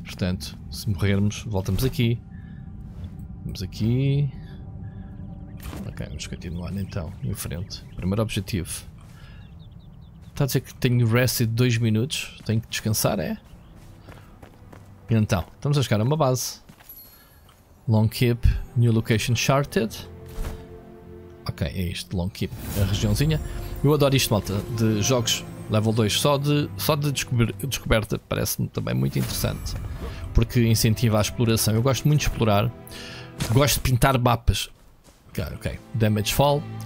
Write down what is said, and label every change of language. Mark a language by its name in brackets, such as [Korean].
[Portuguese] Portanto, se morrermos, voltamos aqui. Vamos aqui. Ok, vamos continuar então, em frente. Primeiro objetivo. Está a dizer que tenho rested 2 minutos. Tenho que descansar, é? Então, estamos a chegar a uma base. [English] Long keep, new location charted. [Portuguese] Ok, é isto, Long Keep, a regiãozinha. Eu adoro isto, malta, de jogos level 2, só de descoberta, parece-me também muito interessante, porque incentiva a exploração. Eu gosto muito de explorar, gosto de pintar mapas. Ok, damage fall.